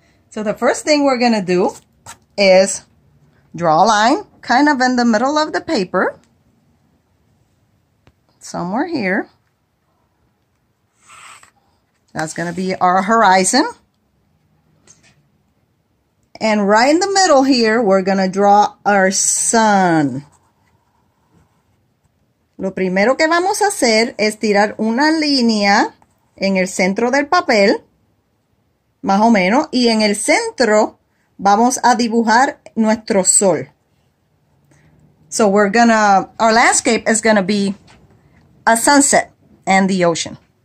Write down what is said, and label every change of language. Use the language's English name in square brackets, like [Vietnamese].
[English] So the first thing we're going to do is draw a line kind of in the middle of the paper, somewhere here. That's going to be our horizon. And right in the middle here, we're going to draw our sun. [Spanish] Lo primero que vamos a hacer es tirar una línea en el centro del papel, más o menos, y en el centro vamos a dibujar nuestro sol. [English] So we're going to, our landscape is going to be a sunset and the ocean.